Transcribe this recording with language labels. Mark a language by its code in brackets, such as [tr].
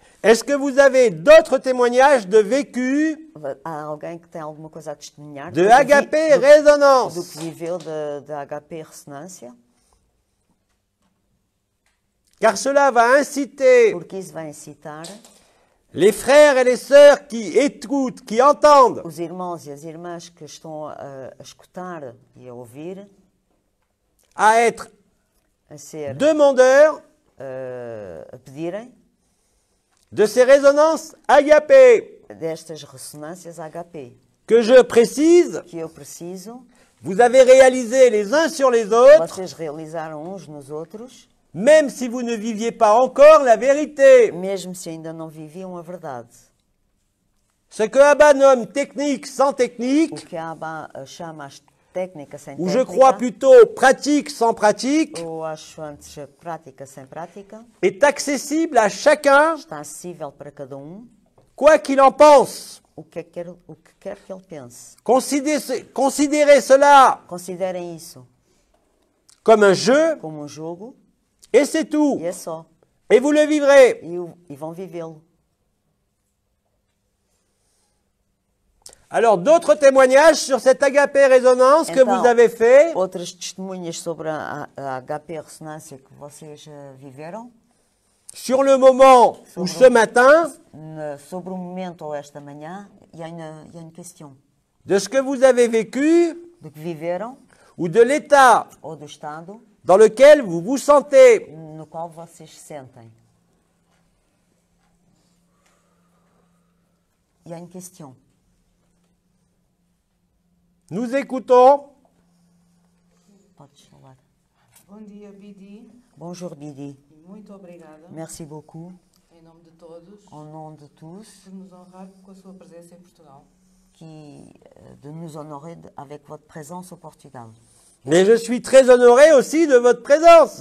[fr] est-ce que vous avez d'autres témoignages de vécu [pt] há alguém que tem alguma coisa a testemunhar, [fr] de agapé résonance [pt] do que viveu de agapé ressonância? [fr] Car cela va inciter, [pt] porque isso vai incitar [fr] les frères et les sœurs qui écoutent, qui entendent, [pt] os irmãos e as irmãs que estão a escutar e a ouvir, [fr] à être [pt] a ser [fr] demandeurs, [pt] a pedirem [fr] de ces résonances agapé, [pt] destas ressonâncias agapé, [fr] que je précise, [pt] que eu preciso, [fr] vous avez réalisé les uns sur les autres, [pt] vocês realizaram uns nos outros, [fr] même si vous ne viviez pas encore la vérité, [pt] mesmo se ainda não viviam a verdade. [fr] Ce que Abba nomme technique sans technique, [pt] o que Abba chama as técnica sem técnica, [fr] ou je crois plutôt pratique sans pratique, [pt] ou acho antes prática sem prática, [fr] est accessible à chacun, [pt] está acessível para cada um, [fr] quoi qu'il en pense, [pt] o que quer que ele pense. [fr] Considérez cela, [pt] considerem isso, [fr] comme un jeu, [pt] como um jogo. [fr] Et c'est tout. [pt] E é só. [fr] Et vous le vivrez. Ils vont [pt] vivê-lo. [fr] Alors, d'autres témoignages sur cette agapé résonance [pt] então, [fr] que vous avez fait. [pt] Outras testemunhas sobre a agapé ressonância que vocês viveram. [fr] Sur le moment ou ce matin. [pt] Sobre o momento ou esta manhã, [fr] il y a une question. De ce que vous avez vécu. [pt] Do que viveram. [fr] Ou de l'état. [pt] Ou do estado. [fr] Dans lequel vous vous sentez. [pt] No qual vocês sentem. [fr] Il y a une question. Nous écoutons. [pt] Podes falar. Bon dia, Bidi. [fr] Bonjour, Bidi. [pt] Muito obrigada. [fr] Merci beaucoup. [pt] Em nome de todos. [fr] Au nom de tous. [pt] De nos honrar com a sua presença em Portugal. [fr] Que, de nous honorer avec votre présence au Portugal. Mais je suis très honoré aussi de votre présence.